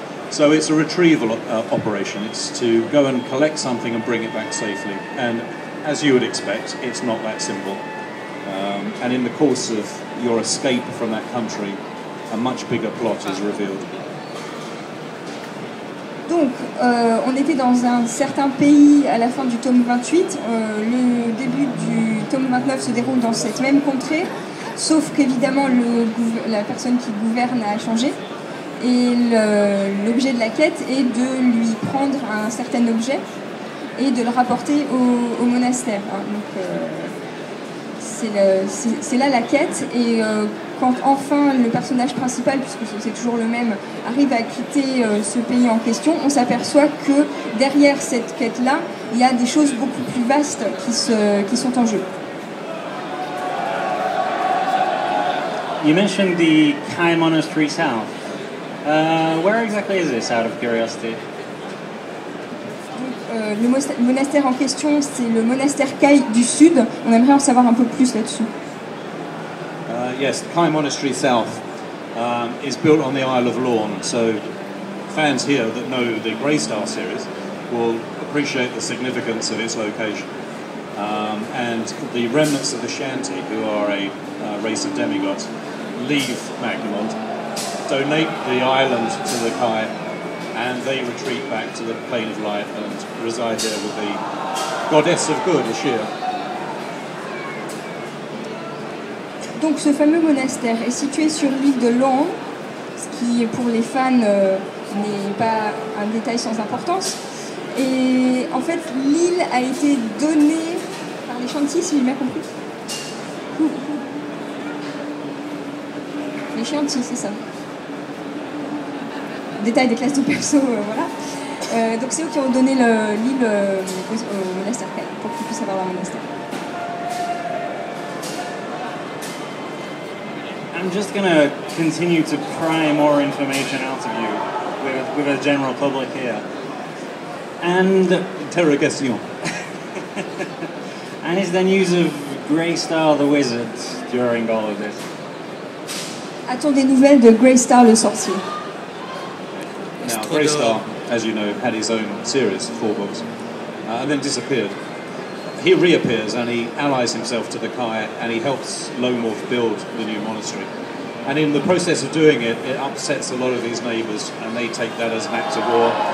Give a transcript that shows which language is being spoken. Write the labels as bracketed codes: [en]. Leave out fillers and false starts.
[en] So it's a retrieval operation. It's to go and collect something and bring it back safely. And as you would expect, it's not that simple. And in the course of your escape from that country, a much bigger plot is revealed. [fr] Donc, on était dans un certain pays à la fin du tome 28. Le début du tome 29 se déroule dans cette même contrée, sauf qu'évidemment, la personne qui gouverne a changé. Et l'objet de la quête est de lui prendre un certain objet et de le rapporter au monastère. Hein. Donc, c'est là la quête. Et quand enfin le personnage principal, puisque c'est toujours le même, arrive à quitter ce pays en question, on s'aperçoit que derrière cette quête-là, il y a des choses beaucoup plus vastes qui sont en jeu. [en] You mentioned the Kai Monastery South. Where exactly is this, out of curiosity? [fr] Le monastère en question, c'est le monastère Kai du Sud. On aimerait en savoir un peu plus là-dessus. [en] Yes, the Kai Monastery South is built on the Isle of Lorne. So fans here that know the Grey Star series will appreciate the significance of its location. And the remnants of the Shanti, who are a race of demigods, leave Magnemont, donate the island to the Kai, and they retreat back to the Plane of Light and reside there with the goddess of good, Ashir. [fr] Donc ce fameux monastère est situé sur l'île de Lorne, ce qui pour les fans n'est pas un détail sans importance. Et en fait, l'île a été donnée par les Shanti, si j'ai bien compris. Les Shanti, c'est ça. Détail des classes de perso, voilà. Donc c'est eux qui ont donné l'île au monastère, pour qu'ils puissent avoir leur monastère. [en] I'm just going to continue to pry more information out of you with a general public here. And interrogation. And is there news of Grey Star the Wizard during all of this? [fr] A-t-on des nouvelles de Grey Star le sorcier? [en] Now, Grey Star, as you know, had his own series of four books, and then disappeared. He reappears and he allies himself to the Kai and he helps Lone Wolf build the new monastery. And in the process of doing it, it upsets a lot of his neighbours and they take that as an act of war.